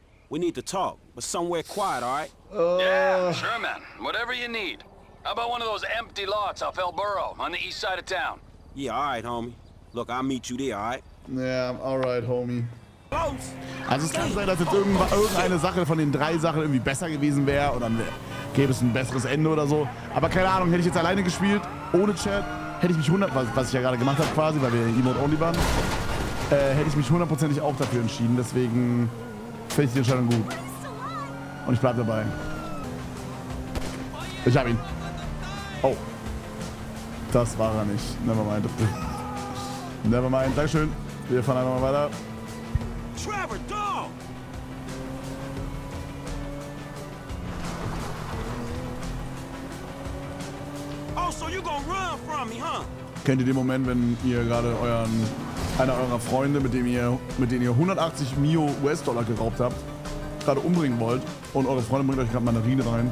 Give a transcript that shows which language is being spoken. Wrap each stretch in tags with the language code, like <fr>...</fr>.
<en>We need to talk, but somewhere quiet, alright? Yeah, sure, man. Whatever you need. How about one of those empty lots off El Burro on the east side of town? Yeah, alright, homie. Look, I'll meet you there, alright? Yeah, alright, homie.</en> <de>Also es kann sein, dass jetzt irgendeine Sache von den drei Sachen irgendwie besser gewesen wäre und dann gäbe es ein besseres Ende oder so. Aber keine Ahnung, hätte ich jetzt alleine gespielt, ohne Chat, hätte ich mich 100%, was ich ja gerade gemacht habe quasi, weil wir Emote-only waren, hätte ich mich 100%ig auch dafür entschieden. Deswegen finde ich die Entscheidung gut. Und ich bleibe dabei. Ich habe ihn. Oh. Das war er nicht.</de> <en>Nevermind. Nevermind.</en> <de>Dankeschön. Wir fahren einfach mal weiter.</de> <en>Trevor, dog! Oh, so you gonna run from me, huh?</en> <de>Kennt ihr den Moment, wenn ihr gerade einer eurer Freunde, mit dem ihr 180 Mio US-Dollar geraubt habt, gerade umbringen wollt und eure Freundin bringt euch gerade Mandarine rein?</de>